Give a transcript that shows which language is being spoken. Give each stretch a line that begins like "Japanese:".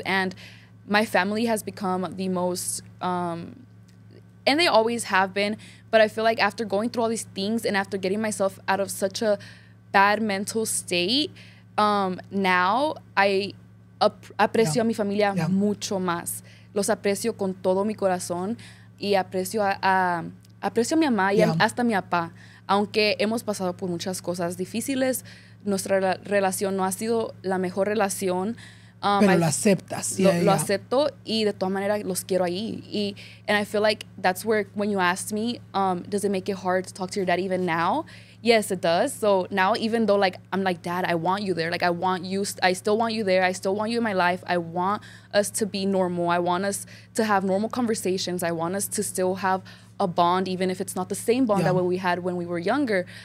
English: And my family has become the most, and they always have been, but I feel like after going through all these things and after getting myself out of such a bad mental state, now I
Spanish: aprecio a mi familia mucho más. Los aprecio con todo mi corazón y aprecio aprecio a mi mamá y hasta a mi papá. Aunque hemos pasado por muchas cosas difíciles, nuestra relación no ha sido la mejor relación. Pero lo aceptas. Lo acepto y de todas maneras los quiero ahí.
English: Y, and I feel like that's where, when you asked me, does it make it hard to talk to your dad even now? Yes, it does. So now, even though, like, I'm like, Dad, I want you there. Like, I want you. I still want you there. I still want you in my life. I want us to be normal. I want us to have normal conversations. I want us to still have a bond, even if it's not the same bond that we had when we were younger.